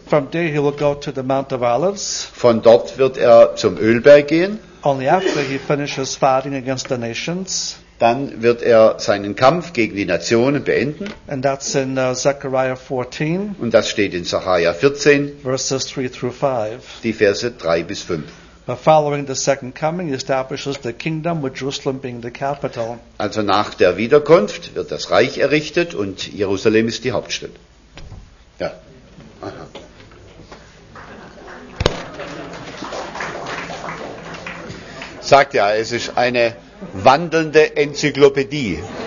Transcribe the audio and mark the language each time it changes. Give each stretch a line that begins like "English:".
English: From there he will go to the Mount of Olives.
German: Von dort wird er zum Ölberg gehen.
English: Only after he finishes fighting against the nations.
German: Dann wird er seinen Kampf gegen die Nationen beenden.
English: And that's in Zechariah 14.
German: Und das steht in Zechariah 14.
English: Verses 3 through 5.
German: Die Verse 3 bis 5.
English: But following the second coming, he establishes the kingdom with Jerusalem being the capital.
German: Also nach der Wiederkunft wird das Reich errichtet und Jerusalem ist die Hauptstadt. Ja. Aha. Sagt ja, es ist eine wandelnde Enzyklopädie.